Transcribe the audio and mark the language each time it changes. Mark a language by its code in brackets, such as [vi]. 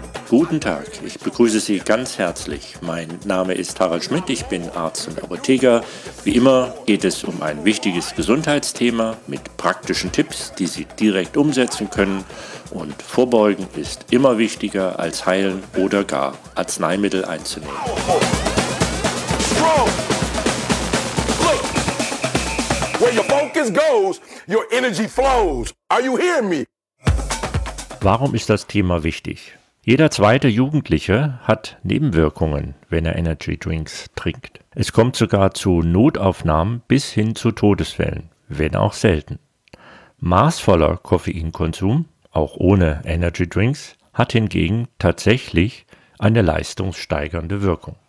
[de] Guten Tag, ich begrüße Sie ganz herzlich. Mein Name ist Harald Schmidt, ich bin Arzt und Apotheker. Wie immer geht es um ein wichtiges Gesundheitsthema mit praktischen Tipps, die Sie direkt umsetzen können. Und vorbeugen ist immer wichtiger als heilen oder gar Arzneimittel einzunehmen. [en] Strong. Where your focus goes, your energy flows. Are you hearing me? [de] Warum ist das Thema wichtig? Jeder zweite Jugendliche hat Nebenwirkungen, wenn er Energy Drinks trinkt. Es kommt sogar zu Notaufnahmen bis hin zu Todesfällen, wenn auch selten. Maßvoller Koffeinkonsum, auch ohne Energy Drinks, hat hingegen tatsächlich eine leistungssteigernde Wirkung.